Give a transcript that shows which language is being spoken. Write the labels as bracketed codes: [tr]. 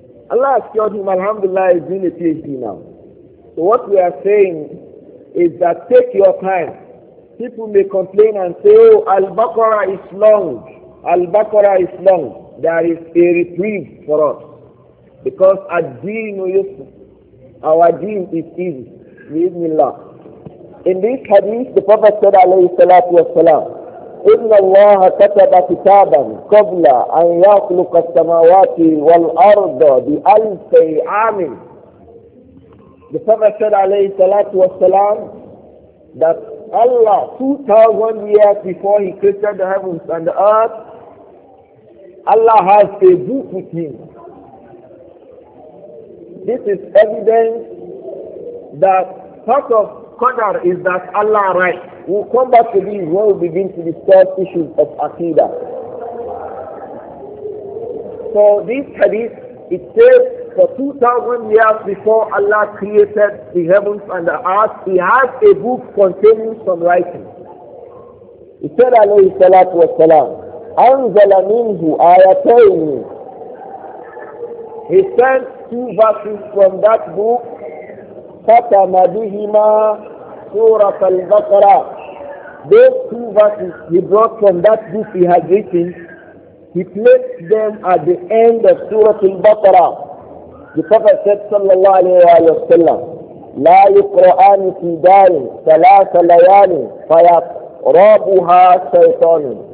[en] Allah has cured him, alhamdulillah, he's doing a PhD now. So what we are saying is that take your time. People may complain and say, oh, Al-Baqarah is long. Al-Baqarah is long. There is a reprieve for us. Because Ad-Din Yusuf, our deen is easy. Bismillah. In this hadith, the Prophet said, [ar] alayhi salatu wasalam, إِنَّ اللَّهَ كَتَبَ كِتَابًا قَبْلَ أَنْ يَخْلُقَ السَّمَاوَاتِ وَالْأَرْضَ بِأَلْفِ عَامٍ. [en] The Prophet said, alayhi salatu wasalam, that Allah, 2,000 years before He created the heavens and the earth, Allah has a book with Him. This is evidence that part of Qadr is that Allah writes. We'll come back to this when we begin to discuss issues of Aqidah. So this hadith, it says for 2,000 years before Allah created the heavens and the earth, He has a book containing some writing. He said, [ar] alayhi salatu wasalam, أنزل منه آيتين [en] He sent two verses from that book, [ar] فَتَمَ بِهِمَا سُورَةَ الْبَقَرَةَ. [en] Those two verses he brought from that book he had written, he placed them at the end of Surah Al-Baqarah. The Prophet said, [ar] sallallahu alayhi wa sallam, لَا يُقْرَآنِ فِي دَارٍ ثَلَاثَ لَيَانٍ فَيَقْرَابُهَا شَيْطَانٍ.